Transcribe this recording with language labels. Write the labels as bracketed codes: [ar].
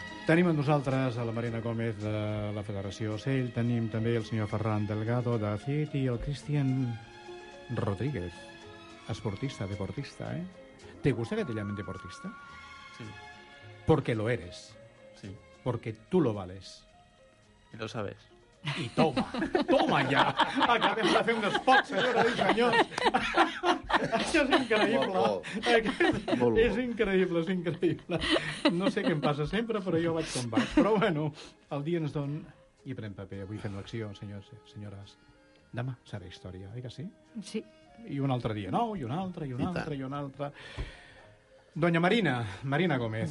[ca] Tenim amb nosaltres a la Marina Gómez de la Federació Ocell, tenim també el senyor Ferran Delgado de CIT i el Cristian Rodríguez, esportista, deportista, eh? [es] ¿Te gusta que te llamen deportista? Sí. Porque lo eres. Sí. Porque tú lo vales. Y lo sabes. Y toma, toma ya. Acabemos de hacer unos pocs, señoras y señores. [ca] Això és increïble. És increïble, és increïble. No sé què em passa sempre, però jo vaig com vaig. Però bueno, el dia ens don i pren paper. Avui fem l'acció, senyors, senyores. Demà serà història, oi que sí? Sí. I un altre dia nou, i un altre, i un altre, i un altre. Doña Marina, Marina Gómez.